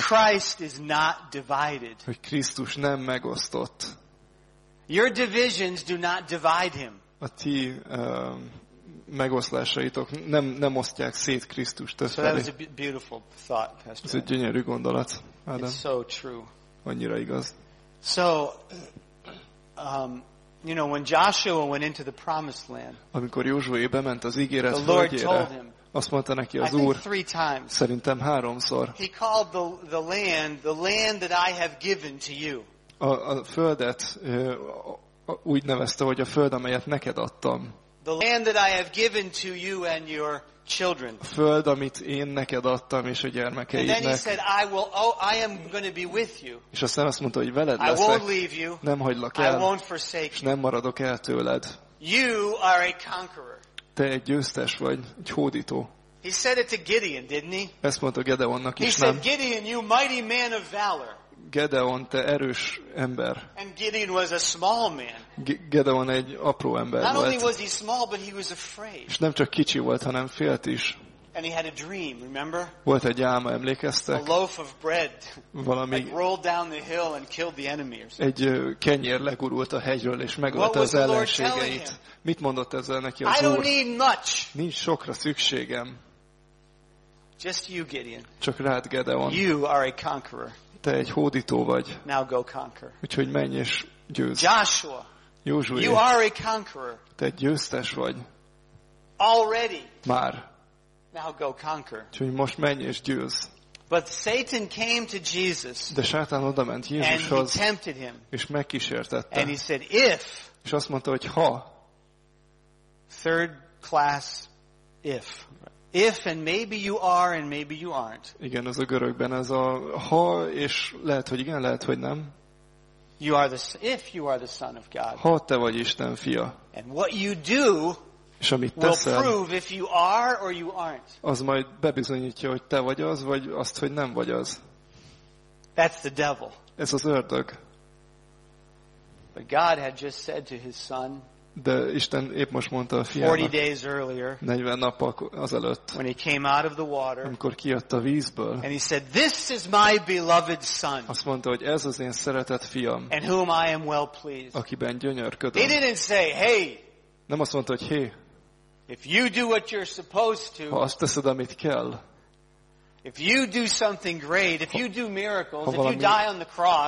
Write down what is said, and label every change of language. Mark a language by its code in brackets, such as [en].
[en] He said Christ is not divided. [hu] Hogy Krisztus nem megosztott. [en] Your divisions do not divide him. [hu] A ti megoszlásaitok nem osztják szét Krisztust összefelé. [en] So that was a beautiful thought, Pastor. [hu] Ez egy gyönyörű gondolat, Adam. [en] It's so true. [hu] Annyira igaz. [en] So, you know, when Joshua went into the promised land, [hu] amikor Józsué bement az ígéret földjére, azt mondta neki az Úr, szerintem háromszor. [en] He called the land, the land that I have given to you. [hu] A földet úgy nevezte, hogy a föld, amelyet neked adtam. [en] The land that I have given to you and your children. [hu] A föld, amit én neked adtam és a gyermekeidnek. [en] And then he said, I am going to be with you. [hu] És aztán azt mondta, hogy veled leszek. [en] I won't leave you. [hu] Nem hagylak el. [en] I won't forsake you. [hu] Nem maradok el tőled. [en] You are a conqueror. [hu] Te egy győztes vagy, egy hódító. [en] He said it to Gideon, didn't he? [hu] Ezt mondta Gedeonnak is, nem? [en] He said, Gideon, you mighty man of valor. [hu] Gedeon, te erős ember. [en] And Gideon was a small man. [hu] Gedeon egy apró ember [en] Not [hu] volt. [en] Only was he small, but he was afraid. [hu] És nem csak kicsi volt, hanem félt is. [en] And he had a dream, remember? [hu] Volt egy álma, emlékeztek? [en] A loaf of bread. [hu] Valami. [en] Like rolled down the hill and killed the enemy. [hu] Egy kenyér legurult a hegyről és megölte az ellenségeit. Mit mondott ezzel neki az Úr? [en] I don't need much. [hu] Nincs sokra szükségem. [en] Just you, Gideon. [hu] Csak rád, Gedeon. [en] You are a conqueror. [hu] Te egy hódító vagy. [en] Now go conquer. [hu] Úgyhogy menj és győzz. [en] Joshua. [hu] Józsué. [en] You are a conqueror. [hu] Te egy győztes vagy. [en] Already. [hu] Már. [en] Now go conquer. [hu] Úgyhogy most menj és győzz. [en] But Satan came to Jesus. [hu] De Sátán odament Jézushoz. [en] And he tempted him. [hu] És megkísértette. [en] And he said, if. [hu] És azt mondta, hogy ha. [en] Third class if. If and maybe you are and maybe you aren't. [hu] Igen, az a görögben ez a ha és lehet, hogy igen, lehet, hogy nem. [en] You are the if you are the son of God. [hu] Ha te vagy Isten fia. [en] And what you do [hu] és amit teszel, [en] will prove if you are or you aren't. [hu] Az majd bebizonyítja, hogy te vagy az, vagy azt, hogy nem vagy az. [en] That's the devil. [hu] Ez az ördög. [en] But God had just said to his son. [hu] De Isten épp most mondta a fiának 40 nappal azelőtt, [en] when he came out of the water, [hu] amikor kijött a vízből, [en] and he said, this is my beloved son, [hu] azt mondta, hogy ez az én szeretett fiam, [en] and whom I am well pleased, [hu] akiben gyönyörködöm. [en] He didn't say, hey, [hu] nem azt mondta, hogy hey, [en] if you do what you're supposed to, ha azt teszed, amit kell, if you do something great, if you do miracles, if you die on the cross,